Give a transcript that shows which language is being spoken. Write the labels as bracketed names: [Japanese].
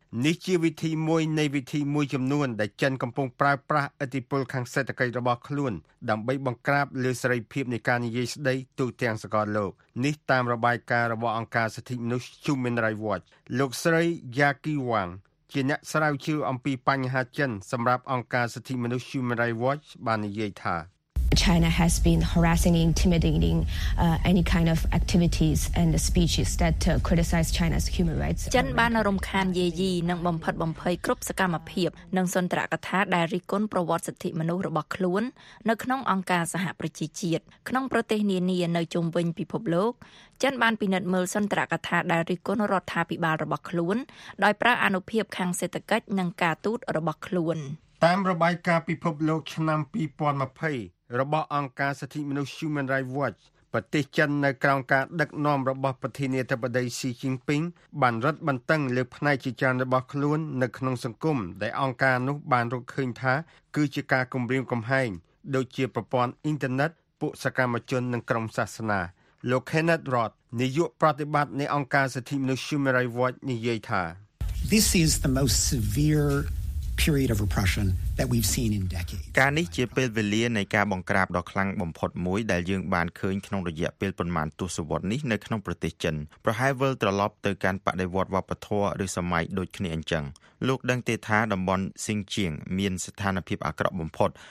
[Khmer] នេះជាវិធីមួយនៃវិធីមួយចំនួនដែលចិនកំពុងប្រើប្រាស់ឥទ្ធិពលខាងសេដ្ឋកិច្ចរបស់ខ្លួនដើម្បីបង្ក្រាបលើសេរីភាពនៃការនិយាយស្តីទូទាំងសកលលោកនេះតាមរបាយការណ៍របស់អង្គការសិទ្ធិមនុស្ស Human Rights Watch លោកស្រី Jackie Wang ជាអ្នកស្រាវជ្រាវអំពីបញ្ហាចិនសម្រាប់អង្គការសិទ្ធិមនុស្ស Human Rights Watch បាននិយាយថា [English] China has been harassing and intimidating any kind of activities and speeches that criticize China's human rights. [Khmer] ចិនបានរំខានយេយីនិងបំផិតបំភ័យគ្រប់សកម្មភាពនិងសន្ទរកថាដែលរិះគន់ប្រវត្តិសិទ្ធិមនុស្សរបស់ខ្លួននៅក្នុងអង្គការសហប្រជាជាតិក្នុងប្រទេសនានានៅជុំវិញពិភពលោកចិនបានពិនិត្យមើលសន្ទរកថាដែលរិះគន់រដ្ឋាភិបាលរបស់ខ្លួនដោយប្រើអនុភាពខាងសេដ្ឋកិច្ចនិងការទូតរបស់ខ្លួន តាមរបាយការណ៍ពិភពលោកឆ្នាំ2020របស់អង្គការសិទ្ធិមនុស្ស Human Rights Watch ប្រទេសចិននៅក្រោមការដឹកនាំរបស់ប្រធានាធិបតី Xi Jinping បានរឹតបន្តឹងលើផ្នែកជាច្រើនរបស់ខ្លួននៅក្នុងសង្គមដែលអង្គការនោះបានរកឃើញថាគឺជាការគំរាមកំហែងដូចជាប្រព័ន្ធអ៊ីនធឺណិតពួកសកម្មជននិងក្រុមសាសនាលោក Kenneth Roth នាយកប្រតិបត្តិនៃអង្គការសិទ្ធិមនុស្ស Human Rights Watch និយាយថា [English] This is the most severe period of repression that we've seen in decades. [Khmer] ការនេះជាពេលវេលានៃការបង្ក្រាបដ៏ខ្លាំងបំផុតមួយដែលយើងបានឃើញក្នុងរយៈពេលប្រមាណទសវត្សរ៍នេះនៅក្នុងប្រទេសចិនប្រហែលវិលត្រឡប់ទៅកាន់បដិវត្តវប្បធម៌ឬសម័យដូចគ្នាអញ្ចឹងលោកដឹងទេថាតំបន់ស៊ីងជៀងមានស្ថានភាពអាក្រក់បំផុត